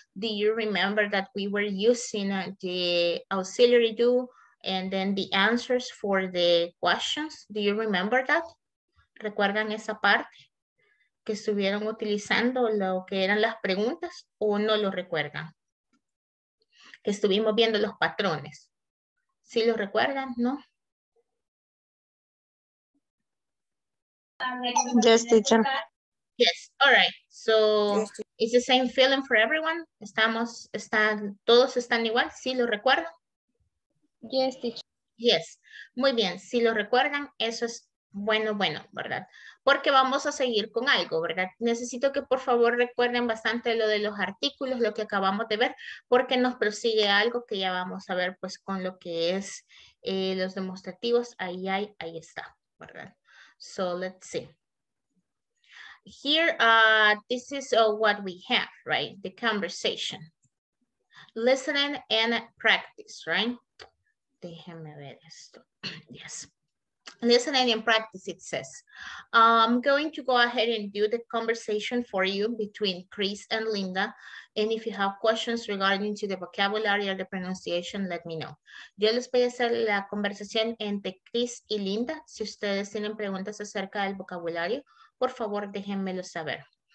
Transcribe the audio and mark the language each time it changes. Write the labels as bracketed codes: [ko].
[en] Do you remember that we were using the auxiliary do and then the answers for the questions? Do you remember that? [es] ¿Recuerdan esa parte? ¿Que estuvieron utilizando lo que eran las preguntas o no lo recuerdan? Que estuvimos viendo los patrones. ¿Sí lo recuerdan? ¿No? [en] Yes, teacher. Yes, all right. So, yes, it's the same feeling for everyone? [es] Estamos, están, todos están igual, ¿sí lo recuerdan? [en] Yes, teacher. [es] Yes, muy bien. Si lo recuerdan, eso es bueno, bueno, ¿verdad? Porque vamos a seguir con algo, ¿verdad? Necesito que por favor recuerden bastante lo de los artículos, lo que acabamos de ver, porque nos prosigue algo que ya vamos a ver, pues, con lo que es los demostrativos. Ahí hay, ahí está, ¿verdad? [en] So let's see. Here, this is what we have, right? The conversation. Listening and practice, right? [es] Déjeme ver esto. [en] Yes. Listening and practice, it says. I'm going to go ahead and do the conversation for you between Chris and Linda. And if you have questions regarding to the vocabulary or the pronunciation, let me know. [es] Yo les voy a hacer la conversación entre Chris y Linda. Si ustedes tienen preguntas acerca del vocabulario, por favor, déjenmelo saber.